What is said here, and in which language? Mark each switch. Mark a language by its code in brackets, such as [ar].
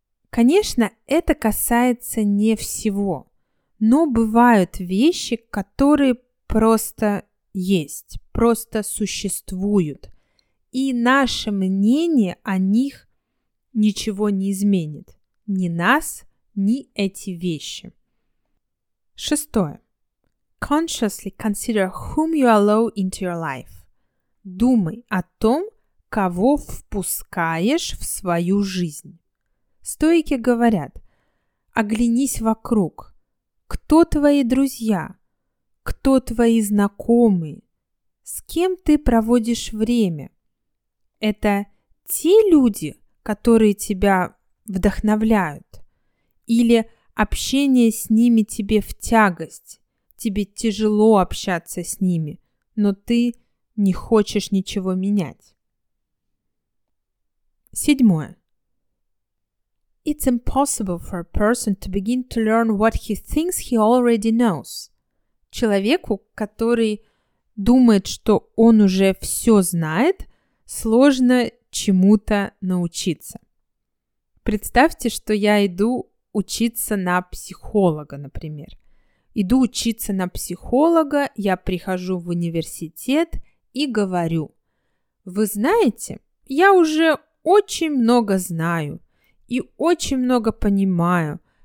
[ru] Конечно, это касается не всего. Но бывают вещи, которые просто есть, просто существуют. И наше мнение о них ничего не изменит. Ни нас, ни эти вещи. Шестое. [en] Consciously consider whom you allow into your life. [ru] Думай о том, кого впускаешь в свою жизнь. Стоики говорят, оглянись вокруг. Кто твои друзья? Кто твои знакомые? С кем ты проводишь время? Это те люди, которые тебя вдохновляют? Или общение с ними тебе в тягость? Тебе тяжело общаться с ними, но ты не хочешь ничего менять. Седьмое. [en] It's impossible for a person to begin to learn what he thinks he already knows. [ru] Человеку, который думает, что он уже все знает, сложно чему-то научиться. Представьте, что я иду учиться на психолога, например. Иду учиться на психолога, я прихожу в университет и говорю: «Вы знаете, я уже очень много знаю и очень много понимаю.